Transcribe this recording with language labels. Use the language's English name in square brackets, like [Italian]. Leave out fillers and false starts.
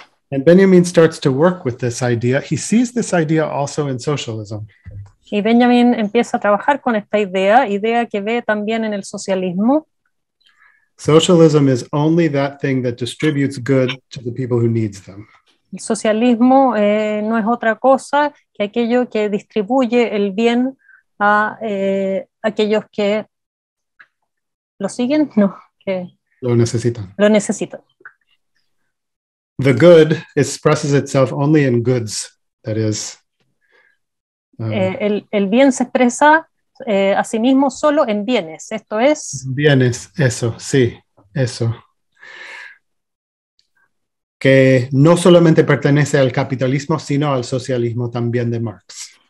[English] And Benjamin starts to work with this idea. He sees this idea also in socialism. [Spanish] Y Benjamin empieza a trabajar con esta idea, idea que ve también en el socialismo. [English] Socialism is only that thing that distributes good to the people who needs them. [Spanish] El socialismo no es otra cosa que aquello que distribuye el bien a aquellos que lo siguen, no, que lo necesitan. Lo necesitan. [English] The good expresses itself only in goods, that is. [Spanish] El bien se expresa a sí mismo solo en bienes, esto es. Bienes, eso, sí, eso. Que no solamente pertenece al capitalismo, sino al socialismo también de Marx.